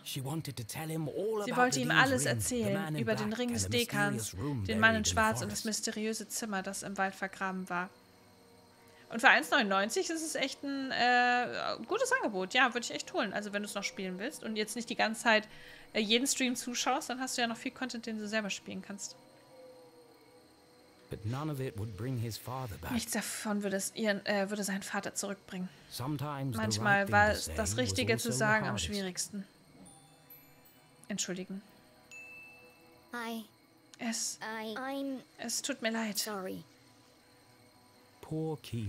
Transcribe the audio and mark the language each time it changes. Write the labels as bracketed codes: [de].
[de] Sie wollte ihm alles erzählen über den Ring des Dekans, den Mann in Schwarz und das mysteriöse Zimmer, das im Wald vergraben war. Und für 1,99 ist es echt ein gutes Angebot. Ja, würde ich echt holen. Also wenn du es noch spielen willst und jetzt nicht die ganze Zeit jeden Stream zuschaust, dann hast du ja noch viel Content, den du selber spielen kannst. [en] But none of it would bring his father back. [de] Nichts davon würde seinen Vater zurückbringen. Manchmal war das Richtige zu sagen am schwierigsten. Entschuldigen. Es tut mir leid. [en] Sorry. Poor Keith.